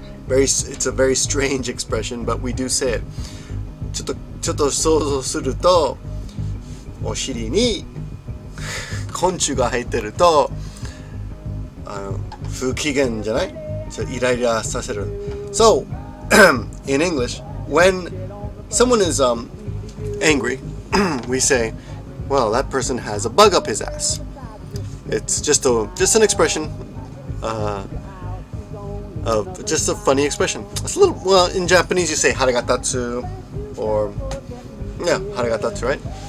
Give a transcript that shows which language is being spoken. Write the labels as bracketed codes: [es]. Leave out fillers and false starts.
[en] It's a very strange expression, but we do say it. [ja] ちょっと想像すると、お尻に昆虫が入ってると、不機嫌じゃない？ちょっとイライラさせる。 [en] So, in English, when someone is angry, we say, well, that person has a bug up his ass. It's just an expression. Just a funny expression. It's a little, well, in Japanese you say haragatatsu, or yeah, haragatatsu, right?